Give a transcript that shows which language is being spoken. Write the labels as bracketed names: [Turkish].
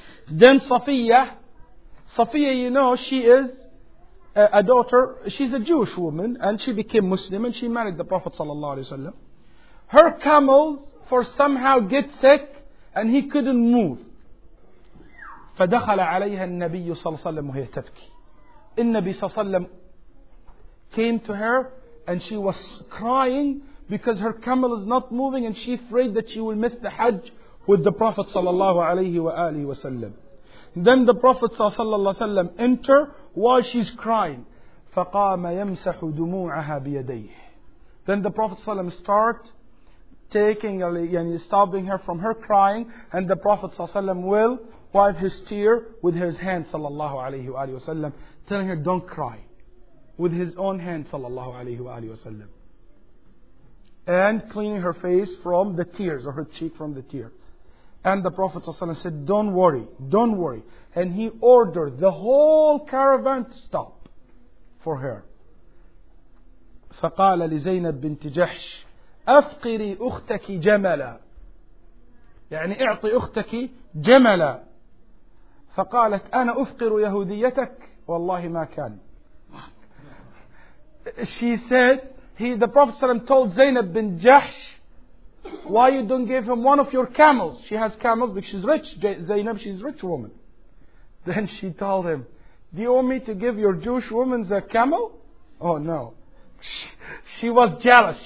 [English] Then Safiya, you know, she is a daughter, she's a Jewish woman, and she became Muslim, and she married the Prophet sallallahu alayhi wa sallam. Her camels for somehow get sick and he couldn't move. [Arabic] فدخل عليها النبي صلى الله عليه وسلم وهي تبكي. [English] النبي صلى الله عليه وسلم came to her and she was crying because her camel is not moving and she afraid that she will miss the Hajj with the Prophet صلى الله عليه وآله وسلم. Then the Prophet صلى الله عليه وسلم enter while she's crying. [Arabic] فقام يمسح دموعها بيديه. [English] Then the Prophet صلى الله عليه وسلم start taking and stopping her from her crying, and the Prophet ﷺ will wipe his tear with his hand, sallallahu alayhi wa sallam, telling her, don't cry, with his own hand, sallallahu alayhi wa sallam, and cleaning her face from the tears, or her cheek from the tear. And the Prophet ﷺ said, don't worry, don't worry. And he ordered the whole caravan to stop for her. [Arabic] فقال لزينب بنت جحش, أفقري أختك جملا, يعني اعطي أختك جملا. فقالت أنا أفقر يهوديتك, والله ما كان. [English] she said, the Prophet ﷺ told Zainab bin Jahsh, why you don't give him one of your camels? She has camels because she's rich. Zainab, she's a rich woman. Then she told him, do you want me to give your Jewish woman a camel? Oh no. She was jealous.